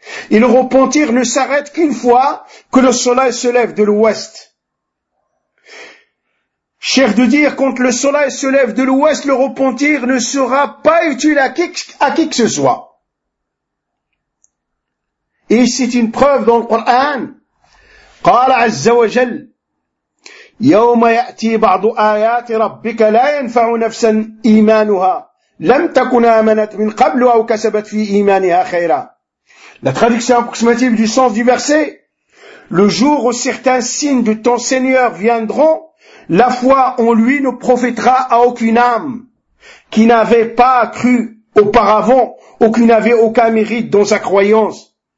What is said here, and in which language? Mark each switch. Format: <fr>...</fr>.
<fr>Et le repentir ne s'arrête qu'une fois que le soleil se lève de l'ouest. Cher de dire, quand le soleil se lève de l'ouest, le repentir ne sera pas utile à qui que ce soit. Et c'est une preuve dans le Coran.</fr> <ar>قال عز وجل يوم يأتي بعض آيات ربك لا ينفع نفسا إيمانها لم تكن آمنت من قبل أو كسبت في إيمانها خيرا.</ar> <fr>La traduction approximative du sens du verset. Le jour où certains signes de ton Seigneur viendront, la foi en lui ne profitera à aucune âme qui n'avait pas cru auparavant ou qui n'avait aucun mérite dans sa croyance.</fr>